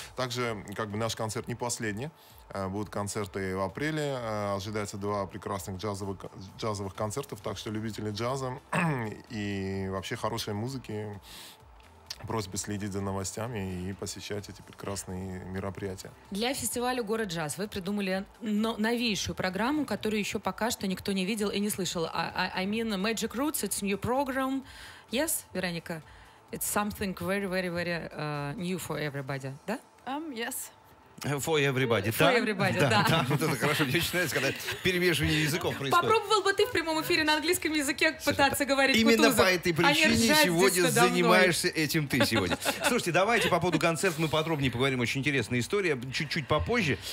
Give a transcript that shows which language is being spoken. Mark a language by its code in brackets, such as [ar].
[ru] Также как бы наш концерт не последний, будут концерты в апреле, ожидается два прекрасных джазовых концертов, так что любители джаза и вообще хорошей музыки, просьба следить за новостями и посещать эти прекрасные мероприятия. Для фестиваля «Город джаз» вы придумали новейшую программу, которую еще пока что никто не видел и не слышал. [en] I mean, Magic Roots, it's new program. Yes, Вероника? It's something very, very, very new for everybody, да? Yes. For everybody, for everybody, да. [ru] Да, вот это хорошо, мне очень нравится, когда перемешивание языков происходит. Попробовал бы ты в прямом эфире на английском языке пытаться говорить именно Кутузов. Именно по этой причине сегодня занимаешься этим ты сегодня. Слушайте, давайте по поводу концерта мы подробнее поговорим, очень интересная история, чуть-чуть попозже.